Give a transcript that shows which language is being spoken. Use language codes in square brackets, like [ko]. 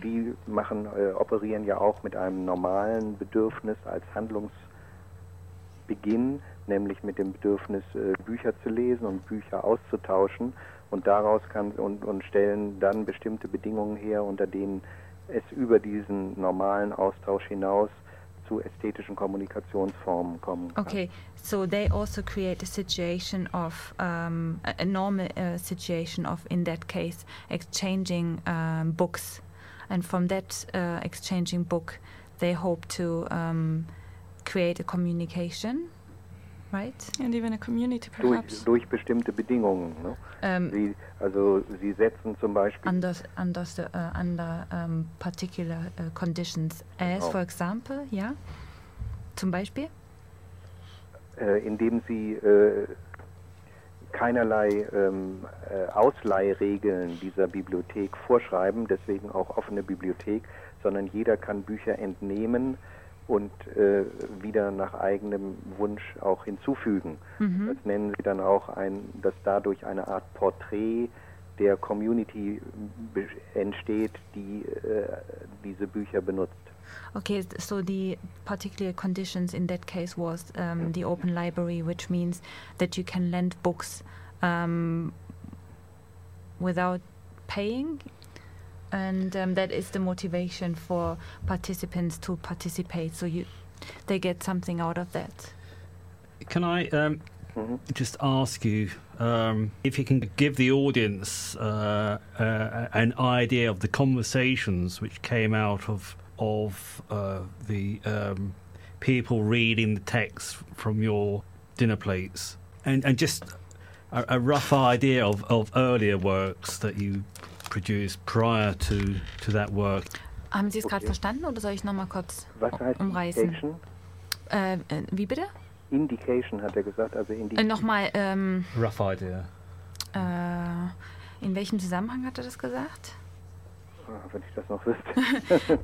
[de] Die machen, operieren ja auch mit einem normalen Bedürfnis als Handlungsbeginn, nämlich mit dem Bedürfnis, Bücher zu lesen und Bücher auszutauschen, und daraus kann und stellen dann bestimmte Bedingungen her, unter denen es über diesen normalen Austausch hinaus zu ästhetischen Kommunikationsformen kommen kann. [en] Okay, so they also create a situation of a normal situation of, in that case, exchanging books, and from that exchanging book they hope to create a communication. Right? And even a community, perhaps. [de] Durch bestimmte Bedingungen. Ne? Sie setzen zum Beispiel [en] under particular conditions. As, for example, ja? [de] Zum Beispiel? indem sie keinerlei Ausleihregeln dieser Bibliothek vorschreiben, deswegen auch offene Bibliothek, sondern jeder kann Bücher entnehmen und wieder nach eigenem Wunsch auch hinzufügen. Mhm. Das nennen sie dann auch dass dadurch eine Art Porträt der Community entsteht, die diese Bücher benutzt. [en] Okay, so the particular conditions in that case was the open library, which means that you can lend books without paying, and that is the motivation for participants to participate, so they get something out of that. Can I just ask you if you can give the audience an idea of the conversations which came out of the people reading the text from your dinner plates, and just a rough idea of earlier works that you produced prior to that work. [de] Haben Sie es gerade verstanden, oder soll ich noch mal kurz umreißen? [en] Indication? [de] Wie bitte? Indication hat er gesagt, also Indication. Nochmal. [en] Rough idea. [de] In welchem Zusammenhang hat er das gesagt? Wenn ich das noch wüsste.